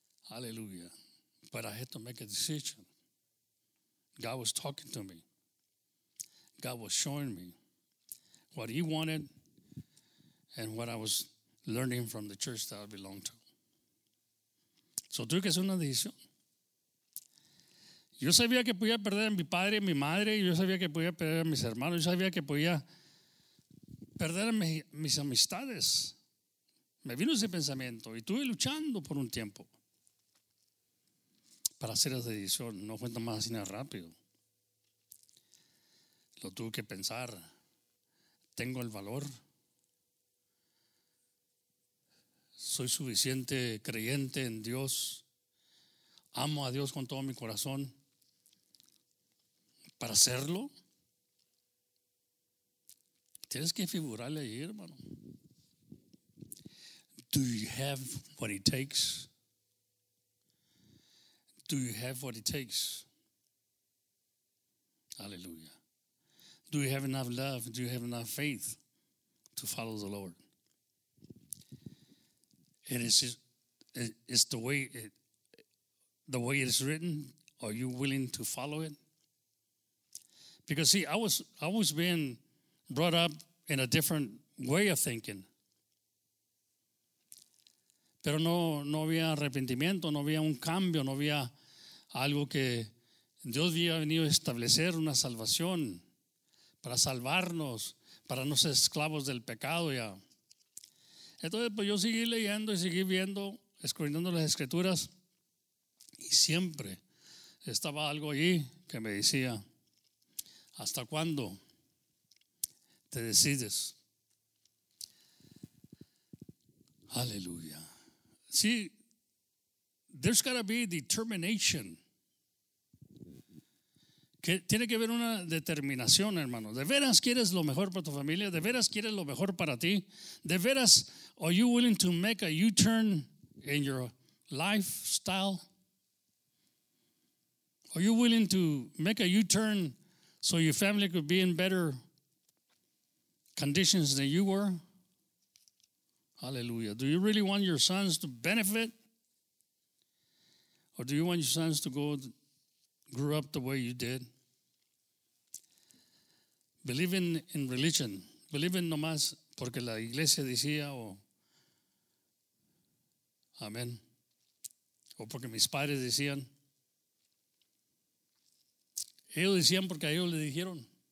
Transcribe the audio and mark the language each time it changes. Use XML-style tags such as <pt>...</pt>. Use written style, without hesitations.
<en>Hallelujah. But I had to make a decision. God was talking to me. God was showing me what he wanted and what I was learning from the church that I belonged to.</en> <es>So tuve que hacer una decisión. Yo sabía que podía perder a mi padre, a mi madre. Yo sabía que podía perder a mis hermanos. Yo sabía que podía perder a mis amistades. Me vino ese pensamiento y estuve luchando por un tiempo para hacer esa decisión. No cuento más así nada rápido. Lo tuve que pensar. Tengo el valor. Soy suficiente creyente en Dios. Amo a Dios con todo mi corazón. Para hacerlo, tienes que figurarle ahí, hermano.</es> <en>Do you have what it takes? Do you have what it takes? Hallelujah. Do you have enough love? Do you have enough faith to follow the Lord? And it's the way it is written. Are you willing to follow it? Because see, I was being brought up in a different way of thinking.</en> <es>Pero no había arrepentimiento, no había un cambio, no había algo que Dios había venido a establecer, una salvación para salvarnos, para no ser esclavos del pecado ya. Entonces, pues yo seguí leyendo y seguí viendo, escudriñando las escrituras, y siempre estaba algo allí que me decía, ¿hasta cuándo te decides? Aleluya.</es> <en>See, there's got to be determination.</en> <es>Que tiene que haber una determinación, hermano. ¿De veras quieres lo mejor para tu familia? ¿De veras quieres lo mejor para ti? ¿De veras,</es> <en>are you willing to make a U-turn in your lifestyle? Are you willing to make a U-turn so your family could be in better conditions than you were? Hallelujah. Do you really want your sons to benefit? Or do you want your sons to grow up the way you did? Believing in religion. Believing</en> <es>nomás porque la iglesia decía o amén. O porque mis padres decían. Ellos decían porque a ellos le dijeron.</es>